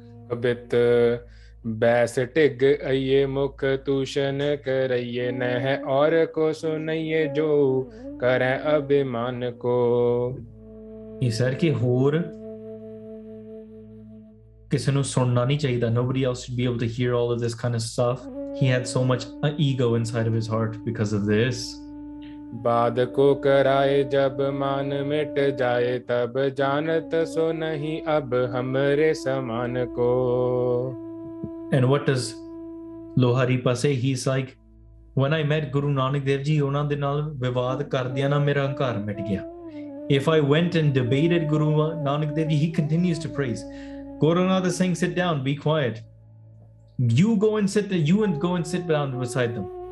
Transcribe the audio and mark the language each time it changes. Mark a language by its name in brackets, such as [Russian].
[Braj] A bit bas tig aiye mukh tushan karaiye nah aur ko sunaiye jo kare abhiman ko. [English] He said [Punjabi] ki hor kisi nu sunna nahi chahida. [English] Nobody else should be able to hear all of this kind of stuff. He had so much ego inside of his heart because of this. [Braj] बाद को कराए जब मान मिट जाए तब जानत सो नहीं अब हमरे समान को. [English] And what does Luhreepa say? He's like, when I met Guru Nanak Dev Ji, [Punjabi] ona de naal vivad kar diya na mera ankar mit gaya. [English] If I went and debated Guru Nanak Dev Ji, he continues to praise. Gorakhnath is saying, sit down, be quiet. You go and sit down beside them.